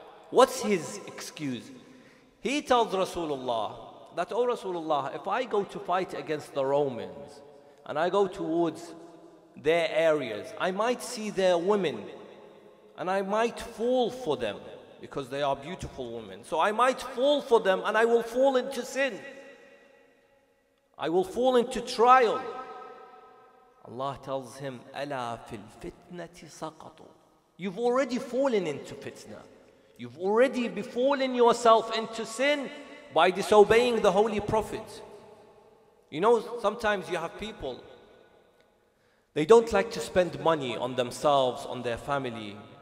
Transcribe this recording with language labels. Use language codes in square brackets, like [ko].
[en] What's his excuse? He tells Rasulullah that, oh Rasulullah, if I go to fight against the Romans and I go towards their areas, I might see their women and I might fall for them because they are beautiful women. So I might fall for them and I will fall into sin. I will fall into trial. Allah tells him, [ar] أَلَا فِي الْفِتْنَةِ سَقَطُوا. [en] You've already fallen into fitna. You've already befallen yourself into sin by disobeying the Holy Prophet. You know, sometimes you have people, they don't like to spend money on themselves, on their family.